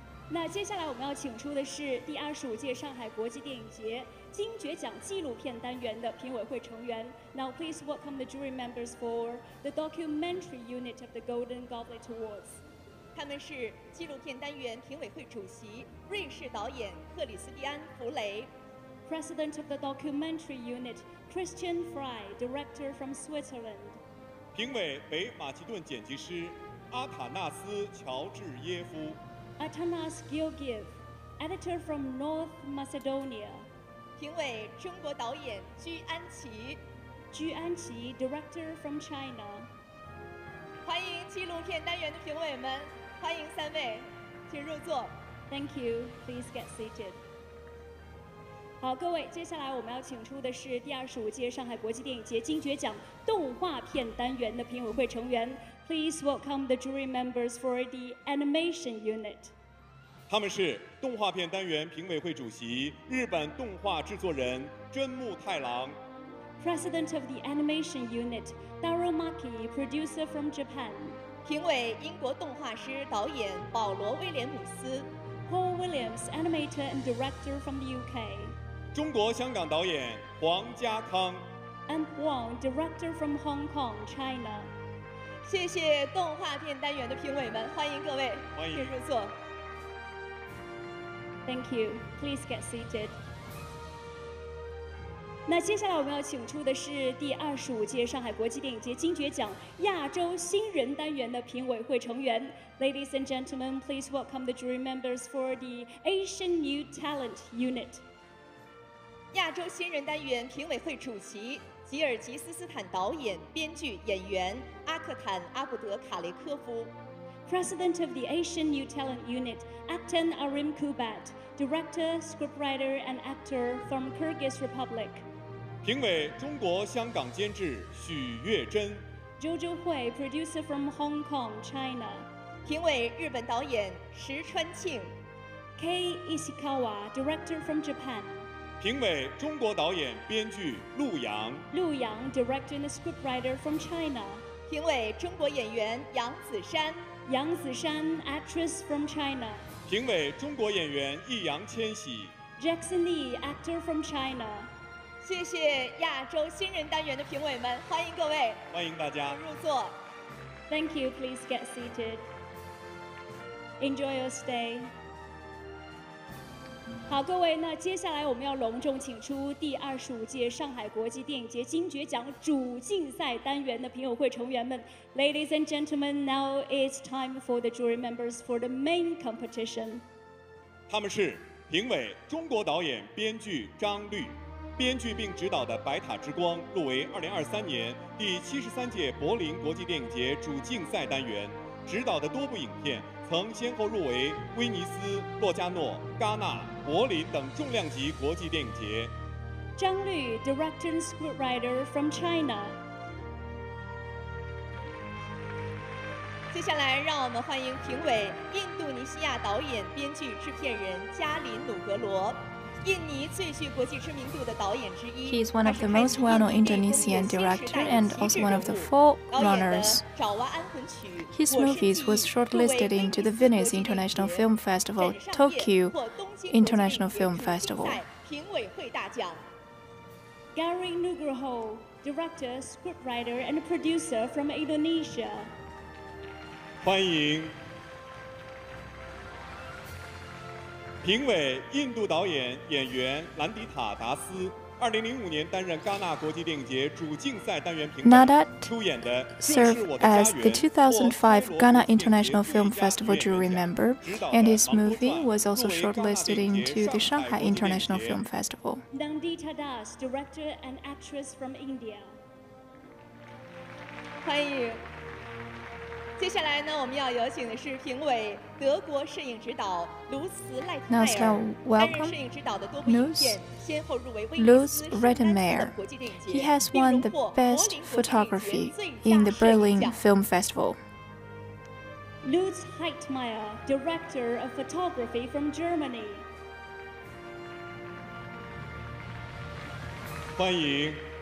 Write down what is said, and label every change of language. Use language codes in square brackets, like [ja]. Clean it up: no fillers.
[zh] 那接下来我们要请出的是第25届上海国际电影节金爵奖纪录片单元的评委会成员. [en] Now please welcome the jury members for the documentary unit of the Golden Goblet Awards. [zh] 他们是纪录片单元评委会主席瑞士导演克里斯蒂安·弗雷. [en] President of the documentary unit, Christian Frey, director from Switzerland. [zh] 评委北马其顿剪辑师阿塔纳斯·乔治耶夫. [en] Atanas Georgiev, editor from North Macedonia. [zh] 评委中国导演居安琪. [en] Director from China. [zh] 欢迎纪录片单元的评委们，欢迎三位，请入座。 [en] Thank you. Please get seated. [zh] 好，各位，接下来我们要请出的是第25届上海国际电影节金爵奖动画片单元的评委会成员。 [en] Please welcome the jury members for the animation unit. [zh] 他们是动画片单元评委会主席、日本动画制作人真木太郎。 [en] President of the animation unit, Daro Maki, producer from Japan. [zh] 评委英国动画师导演保罗·威廉姆斯。 [en] Paul Williams, animator and director from the UK. [zh] 中国香港导演黄家康。 [en] And Wong, director from Hong Kong, China. [zh] 谢谢动画片单元的评委们，欢迎各位，欢迎，请入座。 [en] Thank you. Please get seated. [zh] 那接下来我们要请出的是第25届上海国际电影节金爵奖亚洲新人单元的评委会成员。 [en] Ladies and gentlemen, please welcome the jury members for the Asian New Talent Unit. [zh] 亚洲新人单元评委会主席吉尔吉斯斯坦导演、编剧、演员阿克坦·阿布德·卡雷科夫。 [en] President of the Asian New Talent Unit, Akhtan Arim Kubat, director, scriptwriter, and actor from Kyrgyz Republic. [zh] 评委中国香港监制许月珍 [en] Jojo Hui, producer from Hong Kong, China [zh] 评委日本导演石川庆 [en] Kei Ishikawa, director from Japan [zh] 评委中国导演编剧陆阳 [en] Lu Yang, director and scriptwriter from China [zh] 评委中国演员杨子姗 [en] Yang Zishan, actress from China [zh] 评委中国演员易烊千玺 [en] Jackson Lee, actor from China [zh] 谢谢亚洲新人单元的评委们，欢迎各位，欢迎大家，请入座。 [en] Thank you, please get seated. Enjoy your stay. [zh] 好，各位，那接下来我们要隆重请出第25届上海国际电影节金爵奖主竞赛单元的评委会成员们。 [en] Ladies and gentlemen, now it's time for the jury members for the main competition. [zh] 他们是评委中国导演编剧张律。编剧并执导的《白塔之光》入围2023年第73届柏林国际电影节主竞赛单元，执导的多部影片曾先后入围威尼斯、洛加诺、戛纳、柏林等重量级国际电影节。 [en] 张律 ，director and scriptwriter from China。 [zh] 接下来，让我们欢迎评委印度尼西亚导演、编剧、制片人加林·努格罗。 [en] He is one of the most well-known Indonesian directors and also one of the four runners. His movies were shortlisted into the Venice International Film Festival, Tokyo International Film Festival. Gary Nugroho, director, scriptwriter, and producer from Indonesia. [zh] 欢迎评委印度导演演员兰迪塔达斯2005年担任戛纳国际电影节主竞赛单元评委出演的 [en] served as the 2005 Ghana International Film Festival jury member and his movie was also shortlisted into the Shanghai International Film Festival. Nandita Das, director and actress from India. [zh] 欢迎接下来呢，我们要有请的是评委德国摄影指导卢茨·赖特迈尔。 [en] Now, welcome. [zh] 担任摄影指导的多部影片先后入围威尼斯、洛加诺、戛纳、柏林等国际电影节。 [en] He has won the best photography in the Berlin Film Festival. Lutz Heitmeier, director of photography from Germany. [zh] 欢迎。